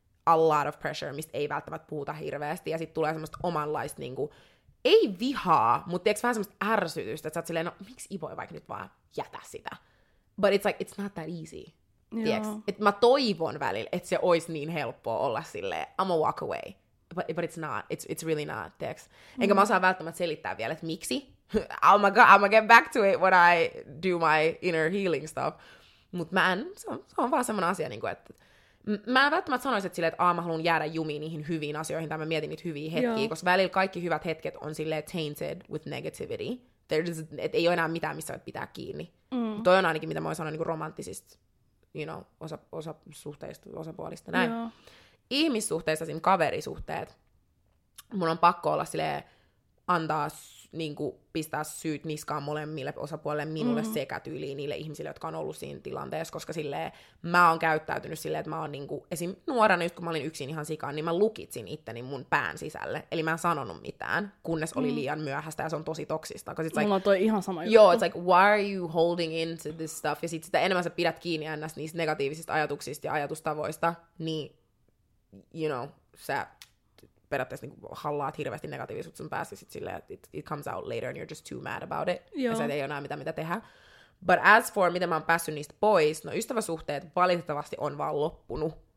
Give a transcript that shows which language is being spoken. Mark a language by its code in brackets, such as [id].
[en] A lot of pressure, [fi] mistä ei välttämättä puhuta hirveästi. Ja sit tulee semmoista omanlaista, niinku, ei vihaa, mutta tiedätkö vähän semmoista ärsytystä, että sä oot silleen, no miksi Ivo ei vaikka nyt vaan jätä sitä? [en] But it's like, it's not that easy. [fi] Et mä toivon välillä, että se olisi niin helppoa olla silleen, [en] I'm a walk away. But it's not, it's really not, [fi] tiedätkö? Enkä mä osaa välttämättä selittää vielä, että miksi? [en] Oh my god, I'm gonna get back to it when I do my inner healing stuff. [fi] Mutta mä en, se on vaan semmoinen asia, niin kun, että mä en välttämättä sanoisi, että silleen, että mä haluan jäädä jumiin niihin hyviin asioihin, tai mä mietin niitä hyviä hetkiä, joo. koska välillä kaikki hyvät hetket on silleen [en] tainted with negativity. [fi] Että ei ole enää mitään, missä voit pitää kiinni. Mm. Toi on ainakin, mitä mä voin sanoa, niin kuin romanttisista, [en] you know, [fi] osasuhteista, osapuolista, näin. Joo. Ihmissuhteissa, siinä kaverisuhteet, mun on pakko olla silleen, antaa, niin kuin pistää syyt niskaan molemmille osapuolille minulle sekä tyyliin niille ihmisille, jotka on ollut siinä tilanteessa, koska silleen mä oon käyttäytynyt silleen, että mä oon niin kuin, esim. Nuorena, just kun mä olin yksin ihan sikaan, niin mä lukitsin itteni mun pään sisälle. Eli mä en sanonut mitään, kunnes oli liian myöhäistä ja se on tosi toksista. Mulla on toi ihan sama juttu. [en] Joo, it's like, why are you holding into this stuff? [fi] Ja sit sitä enemmän sä pidät kiinni ennäs niistä negatiivisista ajatuksista ja ajatustavoista, niin, [en] you know, [fi] sä... periaatteessa niin hallaat hirveästi negatiivisuutta sun päässä, sit silleen, että [en] it comes out later and you're just too mad about it. Joo. [fi] Ja se ei ole enää mitä tehdä. [en] But as for, [fi] miten mä oon päässyt niistä pois, no ystäväsuhteet valitettavasti on vaan loppunut.